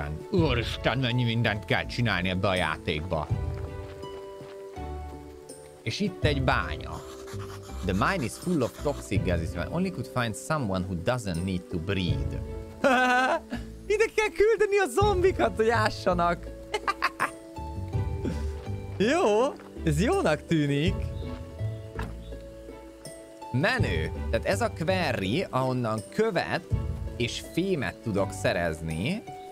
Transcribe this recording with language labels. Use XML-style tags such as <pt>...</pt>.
<hu>Úristen, mennyi mindent kell csinálni ebbe a játékba. És itt egy bánya.</hu> <en>The mine is full of toxic gases, but only could find someone who doesn't need to breed.</en> <hu>Ide kell küldeni a zombikat, hogy ássanak. Jó, ez jónak tűnik. menő. Tehát ez a query, ahonnan követ és fémet tudok szerezni.</hu>